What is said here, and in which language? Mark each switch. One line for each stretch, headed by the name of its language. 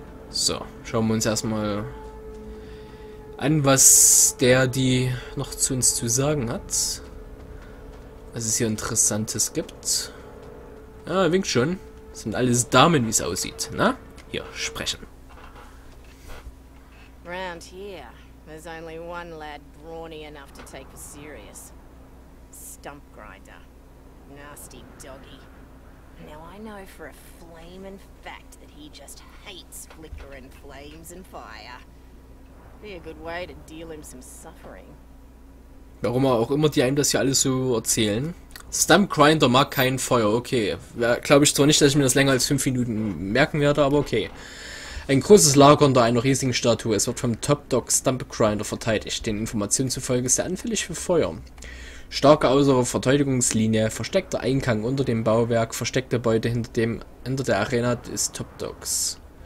German: So, schauen wir uns erstmal an, was der die noch zu uns zu sagen hat. Was es hier Interessantes gibt. Ja, winkt schon. Das sind alles Damen, wie es aussieht, ne? Hier, sprechen.
English: Round here. There's only one lad brawny enough to take us serious. Stump grinder. Nasty doggy. Now I know for a flamin' fact that he just hates flickering flames and fire. Be a good way to deal him some suffering.
German: Warum auch immer die einem das hier alles so erzählen. Stump grinder mag kein Feuer, okay. Glaube ich zwar nicht, dass ich mir das länger als 5 Minuten merken werde, aber okay. Ein großes Lager unter einer riesigen Statue. Es wird vom Top-Dog Stumpgrinder verteidigt. Den Informationen zufolge ist er anfällig für Feuer. Starke äußere Verteidigungslinie, versteckter Eingang unter dem Bauwerk, versteckte Beute hinter der Arena des Top-Dogs.